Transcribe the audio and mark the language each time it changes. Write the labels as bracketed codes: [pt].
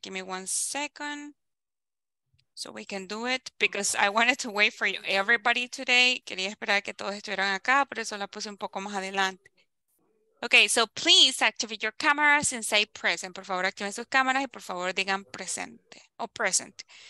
[en] Give me 1 second so we can do it because I wanted to wait for you, everybody today. [es] Quería esperar que todos estuvieran acá, por eso la puse un poco más adelante. [en] Okay, so please activate your cameras and say present. [es] Por favor, activen sus cámaras y por favor digan presente o present.